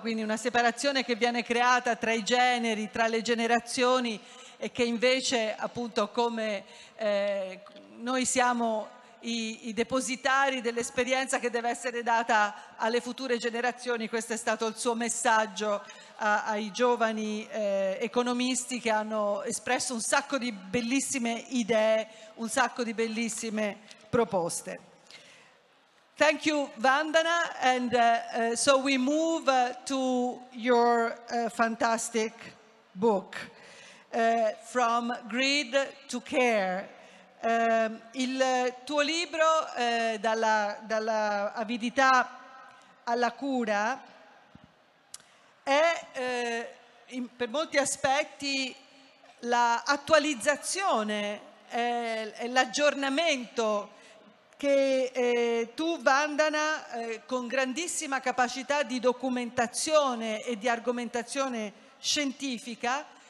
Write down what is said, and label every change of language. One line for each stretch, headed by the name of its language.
Italian: Quindi una separazione che viene creata tra i generi, tra le generazioni, e che invece appunto come noi siamo i depositari dell'esperienza che deve essere data alle future generazioni. Questo è stato il suo messaggio ai giovani economisti, che hanno espresso un sacco di bellissime idee, un sacco di bellissime proposte.
English: Thank you, Vandana, and so we move to your fantastic book, From Greed to Care.
Italian: Il tuo libro, dalla avidità alla cura, è per molti aspetti l'attualizzazione, l'aggiornamento che tu, Vandana, con grandissima capacità di documentazione e di argomentazione scientifica,